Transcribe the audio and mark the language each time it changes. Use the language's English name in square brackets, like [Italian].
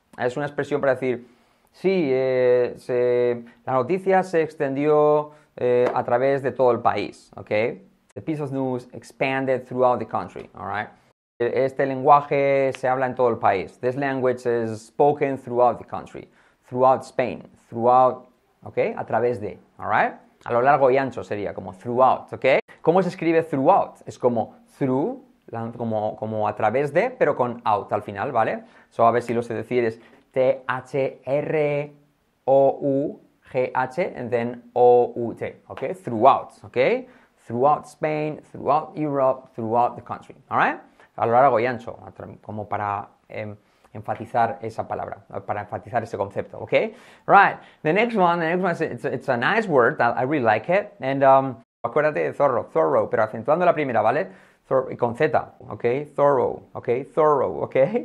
[Spanish] Es una expresión para decir, sí, la noticia se extendió a través de todo el país, ¿ok? [English] The piece of news expanded throughout the country, all right? [Spanish] Este lenguaje se habla en todo el país. [English] This language is spoken throughout the country, throughout Spain, throughout... [Spanish] ¿Ok? A través de, [English] all right? [Spanish] A lo largo y ancho sería, como throughout, ¿ok? ¿Cómo se escribe throughout? Es como through, como a través de, pero con out al final, ¿vale? So, a ver si lo sé decir, es T-H-R-O-U-G-H, [English] and then [Spanish] O-U-T, ¿ok? Throughout, ¿ok? [English] Throughout Spain, throughout Europe, throughout the country, all right? [Spanish] A lo largo y ancho, como para... enfatizar esa palabra, para enfatizar ese concepto, ¿ok? [English] Right, the next one, it's a nice word, I really like it, and [Spanish] acuérdate de thorough, pero acentuando la primera, ¿vale? Con Z, [English] ¿ok? Thorough, ¿ok?